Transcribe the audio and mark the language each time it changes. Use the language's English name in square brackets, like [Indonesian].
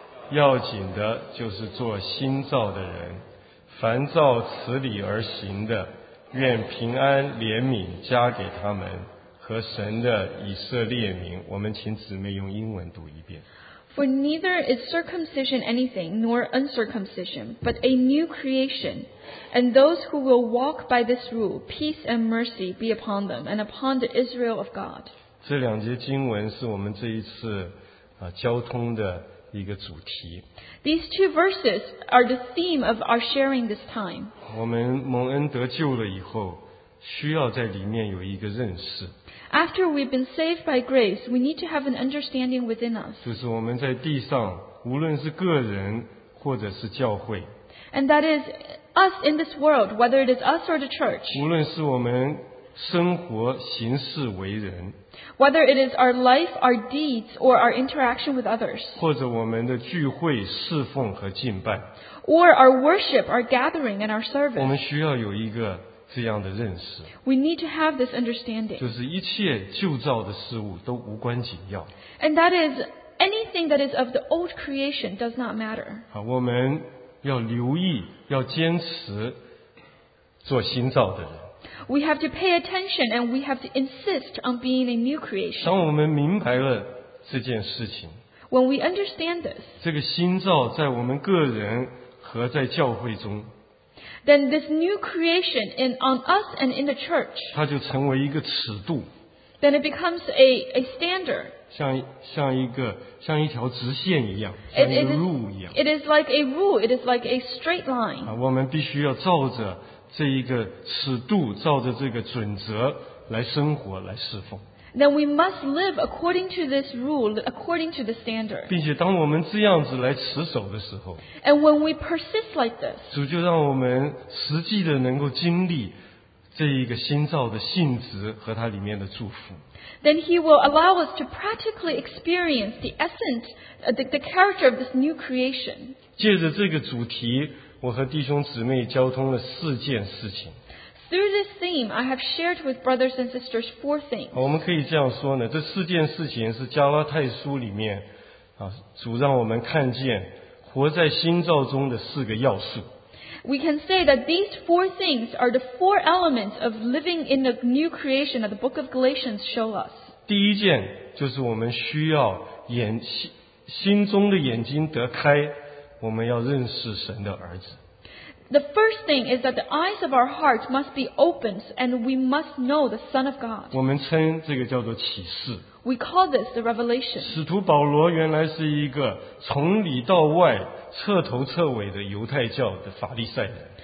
[Chinese] 要紧的就是做新造的人，凡照此理而行的，愿平安怜悯加给他们和神的以色列民。我们请姊妹用英文读一遍。 [English] For neither is circumcision anything, nor uncircumcision, but a new creation. And those who will walk by this rule, peace and mercy be upon them and upon the Israel of God. [Chinese] 这两节经文是我们这一次交通的一个主题。 [English] These two verses are the theme of our sharing this time. [Chinese] 我们蒙恩得救了以后，需要在里面有一个认识。 [English] After we've been saved by grace, we need to have an understanding within us. [Chinese] 就是我们在地上，无论是个人或者是教会。 [English] And that is us in this world, whether it is us or the church. [Chinese] 无论是我们生活行事为人。 [English] Whether it is our life, our deeds, or our interaction with others. [Chinese] 或者我们的聚会、侍奉和敬拜。 [English] Or our worship, our gathering, and our service. [Chinese] 我们需要有一个这样的认识。 [English] We need to have this understanding. [Chinese] 就是一切旧造的事物都无关紧要。 [English] And that is, anything that is of the old creation does not matter. [Chinese] 好，我们要留意，要坚持做新造的人。 [English] We have to pay attention and we have to insist on being a new creation. [Chinese] 当我们明白了这件事情， [English] When we understand this, [Chinese] 这个新造在我们个人和在教会中， [English] Then this new creation in, on us and in the church, [Chinese] 它就成为一个尺度， [English] Then it becomes a standard. [Chinese] 像一条直线一样，像一个 rule 一样。 [English] It is like a rule, it is like a straight line. [Chinese] 我们必须要照着这一个尺度，照着这个准则来生活，来侍奉。 [English] Then we must live according to this rule, according to the standard. [Chinese] 并且当我们这样子来持守的时候， [English] And when we persist like this, [Chinese] 主就让我们实际的能够经历这一个新造的性质和它里面的祝福。 [English] Then he will allow us to practically experience the essence, the character of this new creation. [Chinese] 借着这个主题，我和弟兄姊妹交通了四件事情。 [English] Through this theme, I have shared with brothers and sisters four things. [Chinese] 我们可以这样说呢，这四件事情是加拉太书里面主让我们看见活在新造中的四个要素。 [English] We can say that these four things are the four elements of living in the new creation that the book of Galatians show us. [Chinese] 第一件就是我们需要心中的眼睛得开，我们要认识神的儿子。 [English] The first thing is that the eyes of our hearts must be opened and we must know the Son of God. [Chinese] 我们称这个叫做启示。 [English] We call this the revelation. [Chinese] 使徒保罗原来是一个从里到外彻头彻尾的犹太教的法利赛人。